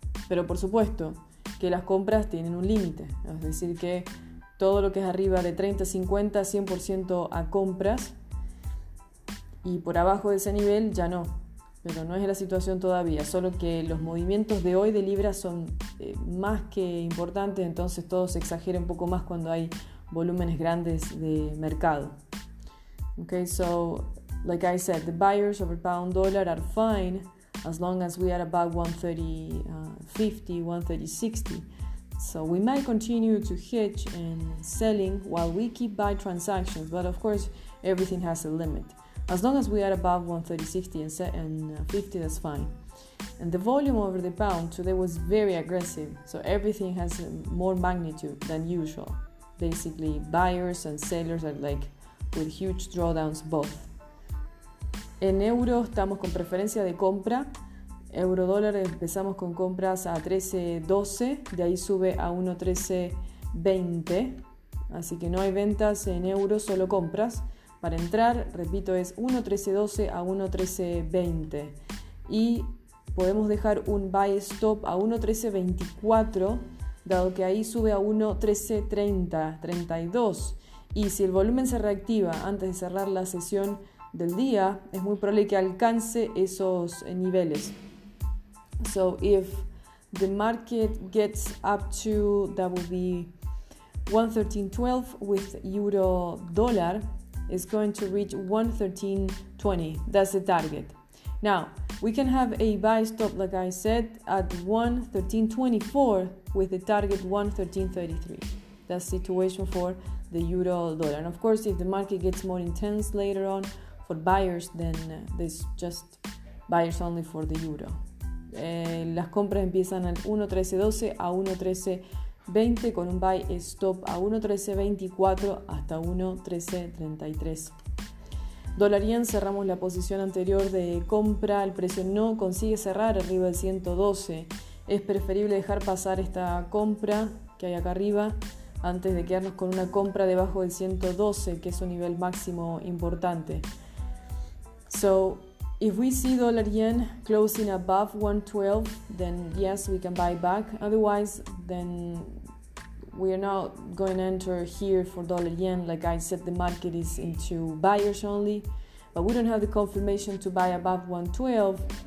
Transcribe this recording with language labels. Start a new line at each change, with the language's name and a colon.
Spanish: Pero por supuesto que las compras tienen un límite. Es decir que todo lo que es arriba de 30, 50, 100% a compras. Y por abajo de ese nivel ya no, pero no es la situación todavía, solo que los movimientos de hoy de libra son más que importantes, entonces todo se exagera un poco más cuando hay volúmenes grandes de mercado.
English: Okay, so like I said, the buyers over pound dollar are fine as long as we are above 130.50, 130.60. So we might continue to hedge and selling while we keep buy transactions, but of course everything has a limit. As long as we are above 130.60 and 50, that's fine. And the volume over the pound today was very aggressive. So everything has more magnitude than usual. Basically, buyers and sellers are like with huge drawdowns both.
Spanish: En euro estamos con preferencia de compra. Euro dólar empezamos con compras a 13.12. De ahí sube a 1.1320. Así que no hay ventas en euros, solo compras. Para entrar, repito, es 1.1312 a 1.1320 y podemos dejar un buy stop a 1.1324, dado que ahí sube a 1.1332. Y si el volumen se reactiva antes de cerrar la sesión del día, es muy probable que alcance esos niveles.
English: So if the market gets up to, that would be 1.1312 with euro dollar, is going to reach 1.1320. That's the target. Now, we can have a buy stop, like I said, at 1.1324 with the target 1.1333. That's the situation for the euro dollar. And of course, if the market gets more intense later on for buyers, then there's just buyers only for the euro.
Spanish: Las compras empiezan al 1.1312 a 1.1320 con un buy stop a 1.1324 hasta 1.1333. Dólar yen, cerramos la posición anterior de compra. El precio no consigue cerrar arriba del 112. Es preferible dejar pasar esta compra que hay acá arriba antes de quedarnos con una compra debajo del 112, que es un nivel máximo importante.
English: So, if we see dollar yen closing above 1.12, then yes, we can buy back. Otherwise, then we are not going to enter here for dollar yen. Like I said, the market is into buyers only, but we don't have the confirmation to buy above 1.12.